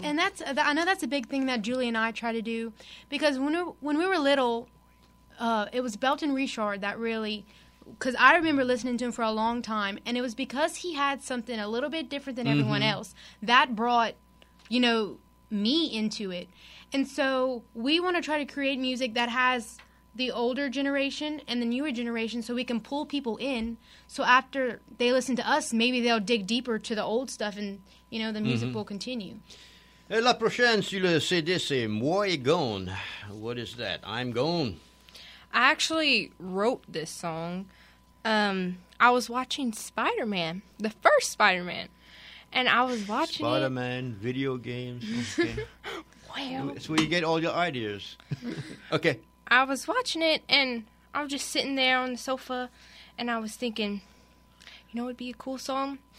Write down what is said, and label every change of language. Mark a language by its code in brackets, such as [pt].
[en] And I know that's a big thing that Julie and I try to do, because when we were little, it was Belton Richard that really, because I remember listening to him for a long time, and it was because he had something a little bit different than everyone else that brought, you know, me into it. And so we want to try to create music that has the older generation and the newer generation, so we can pull people in. So after they listen to us, maybe they'll dig deeper to the old stuff, and you know the music will continue. [fr] Et la prochaine sur le CD, c'est Moi et Gone. [en] What is that? I'm gone. I actually wrote this song. I was watching Spider-Man, the first Spider-Man, and I was watching Spider-Man video games. Okay. Well, it's where you get all your ideas. Okay. I was watching it, and I was just sitting there on the sofa, and I was thinking, you know what would be a cool song?